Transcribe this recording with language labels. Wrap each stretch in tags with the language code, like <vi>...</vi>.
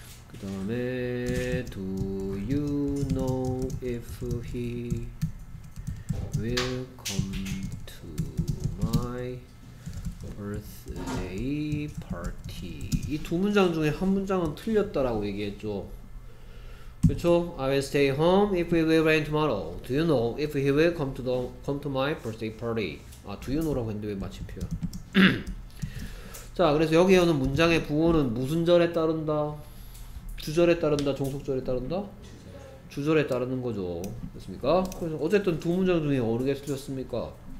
<ko>그 다음에</ko> <en>Do you know if he will come to my birthday party?</en> <ko>이두 문장 중에 한 문장은 틀렸다라고 얘기했죠. 그렇죠?</ko> <en>I will stay home if it will rain tomorrow. Do you know if he will come to my birthday party?</en> <ko>아,</ko> <en>do you know</en> <ko>라고 했는데 왜 마침표야? 자, 그래서 여기에 오는 문장의 부호는 무슨 절에 따른다? 주절에 따른다, 종속절에 따른다? 주절에 따르는 거죠. 됐습니까? 그래서 어쨌든 두 문장 중에 어느 게 틀렸습니까?</ko>